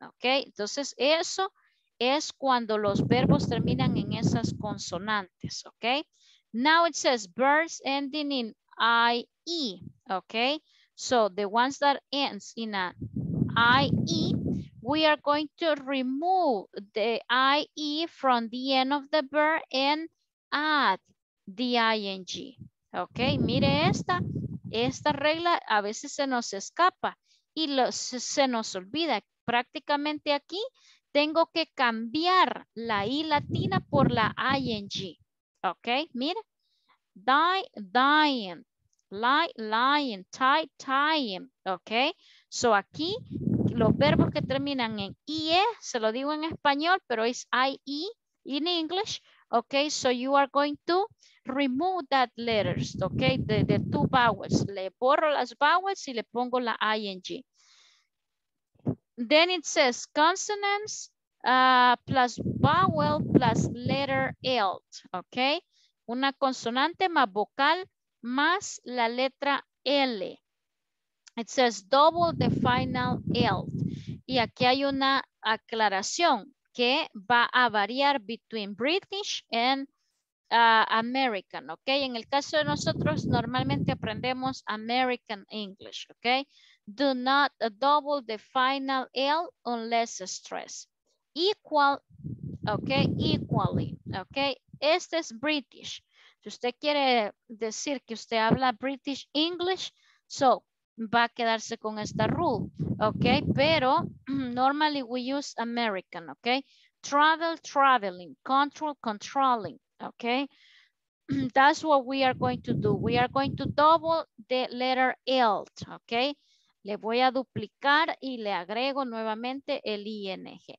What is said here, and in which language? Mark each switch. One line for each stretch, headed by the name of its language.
Spanish: Ok, entonces eso es cuando los verbos terminan en esas consonantes.
English: Ok, now it says birds ending in IE. Ok, so the ones that ends in an IE, we are going to remove the IE from the end of the verb and add the ING.
Spanish: Ok, mire esta. Esta regla a veces se nos escapa y se nos olvida. Prácticamente aquí tengo que cambiar la I latina por la ING. Ok, mire. Die, dying.
English: Lie, lying. Tie, tying.
Spanish: Ok, so aquí los verbos que terminan en IE, se lo digo en español, pero es IE
English: in English. Ok, so you are going to remove that letters, ok, the two vowels.
Spanish: Le borro las vowels y le pongo la ing.
English: Then it says consonants plus vowel plus letter L, ok.
Spanish: Una consonante más vocal más la letra L.
English: It says double the final L.
Spanish: Y aquí hay una aclaración que va a variar
English: between British and American, ok.
Spanish: En el caso de nosotros, normalmente aprendemos American English, ok.
English: Do not double the final L unless stressed. Equal, ok. Equally, ok.
Spanish: Este es British. Si usted quiere decir que usted habla British English, so va a quedarse con esta rule, ok.
English: Pero normally we use American, ok. Travel, traveling. Control, controlling. Okay, that's what we are going to do. We are going to double the letter L.
Spanish: Okay, le voy a duplicar y le agrego nuevamente el ing.